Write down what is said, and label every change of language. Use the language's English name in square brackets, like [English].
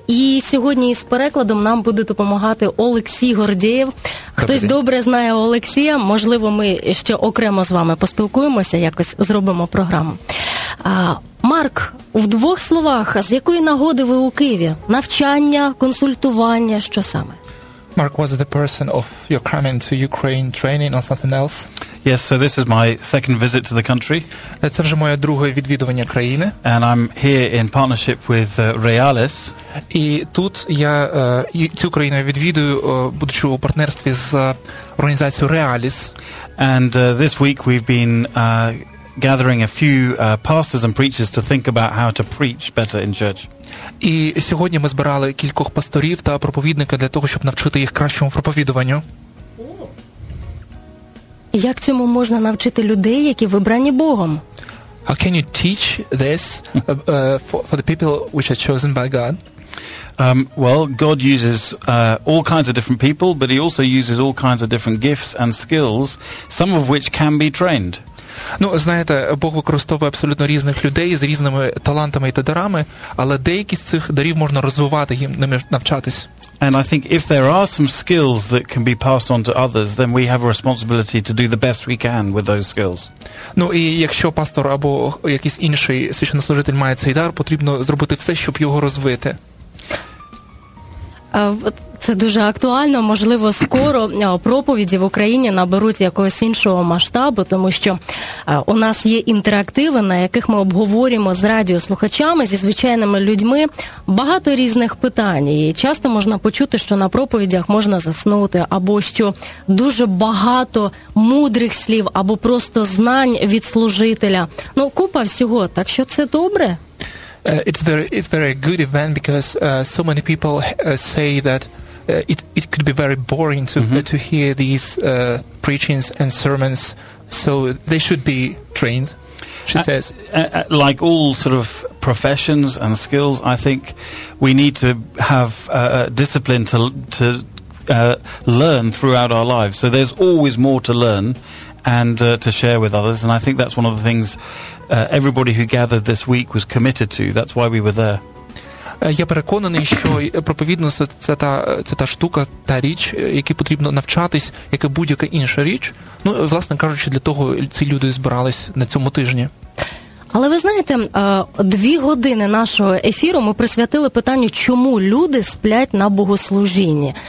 [Ukrainian] І сьогодні із перекладом нам буде допомагати Олексій Гордєєв. Хтось добре знає Олексія, можливо, ми ще окремо з вами поспілкуємося, якось зробимо програму. Марк, в двох словах, з якої нагоди ви у Києві? Навчання, консультування, що саме? [English] Mark, was the person of your coming to Ukraine training or something else? Yes, so this is my second visit to the country. [Ukrainian] Це вже моє друге відвідування країни. [English] And I'm here in partnership with Realis. [Ukrainian] І тут я цю країну відвідую, будучи у партнерстві з організацією Realis. [English] And this week we've been gathering a few pastors and preachers to think about how to preach better in church. [Ukrainian] І сьогодні ми збирали кількох пасторів та проповідника для того, щоб навчити їх кращому проповідуванню. Як цьому можна навчити людей, які вибрані Богом? [English] How can you teach this for the people which are chosen by God? Well, God uses all kinds of different people, but he also uses all kinds of different gifts and skills, some of which can be trained. [Ukrainian] Ну, знаєте, Бог використовує абсолютно різних людей з різними талантами і дарами, але деякі з цих дарів можна розвивати, їм ними навчатись. [English] And I think if there are some skills that can be passed on to others, then we have a responsibility to do the best we can with those skills. [Ukrainian] Ну, і якщо пастор або якийсь інший священнослужитель має цей дар, потрібно зробити все, щоб його розвити. Це дуже актуально, можливо, скоро проповіді в Україні наберуть якогось іншого масштабу, тому що у нас є інтерактиви, на яких ми обговорюємо з радіослухачами, зі звичайними людьми багато різних питань. І часто можна почути, що на проповідях можна заснути, або що дуже багато мудрих слів, або просто знань від служителя. Ну, купа всього, так що це добре? [English] It's very good event because so many people say that it could be very boring to to hear these preachings and sermons, so they should be trained, she says. Like all sort of professions and skills, I think we need to have discipline to learn throughout our lives. So there's always more to learn and to share with others, and I think that's one of the things everybody who gathered this week was committed to. That's why we were there. [Ukrainian] Я переконаний, що проповідництво це та штука, та річ, яку потрібно навчатись, як і будь-яка інша річ. Ну, власне кажучи, для того ці люди збирались на цьому тижні. Але ви знаєте, дві години нашого ефіру ми присвятили питанню, чому люди сплять на богослужінні.